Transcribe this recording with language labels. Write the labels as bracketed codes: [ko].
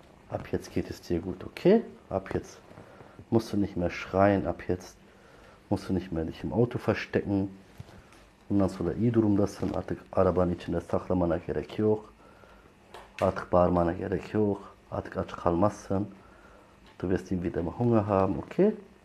[de] Ab jetzt geht es dir gut, okay? Ab jetzt musst du nicht mehr schreien. Ab jetzt musst du nicht mehr dich im Auto verstecken. [tr] Bundan sonra iyi durumdasın. Artık arabanın içinde saklamana gerek yok. Artık bağırmana gerek yok. Artık aç kalmazsın. [de] Du wirst ihn wieder mal Hunger haben, okay?